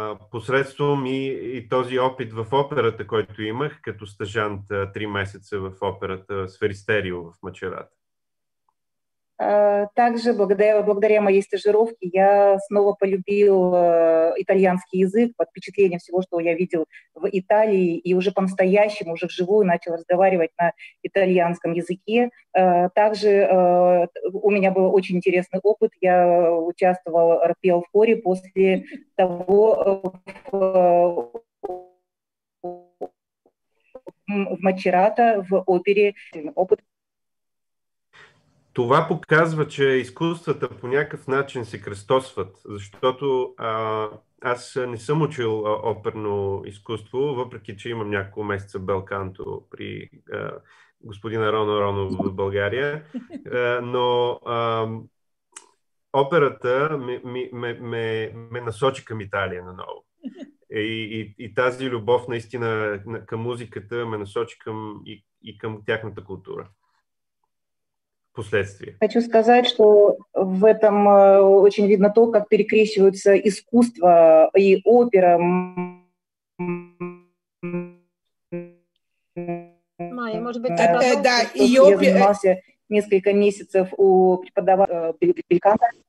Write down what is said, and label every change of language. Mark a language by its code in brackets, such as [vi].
[bg] Посредством и този опит в операта, който имах като стажант 3 месеца в операта с Фристерио в Мачерата. [ru] Также благодаря моей стажировке я снова полюбила итальянский язык под впечатлением всего, что я видела в Италии, и уже по-настоящему, уже вживую начала разговаривать на итальянском языке. Также у меня был очень интересный опыт. Я участвовала, пела в хоре после того, в Мачерата, в опере. Опыт. [bg] Това показва, че изкуствата по някакъв начин се кръстосват, защото аз не съм учил оперно изкуство, въпреки че имам няколко месеца белканто при господин Арон Аронов в България, но операта ме насочи към Италия наново. И тази любов наистина към музиката ме насочи и към тяхната култура. [ru] Хочу сказать, что в этом очень видно то, как перекрещиваются искусство и опера. Майя, может быть, да, и я занимался несколько месяцев у преподавателя Бельканта.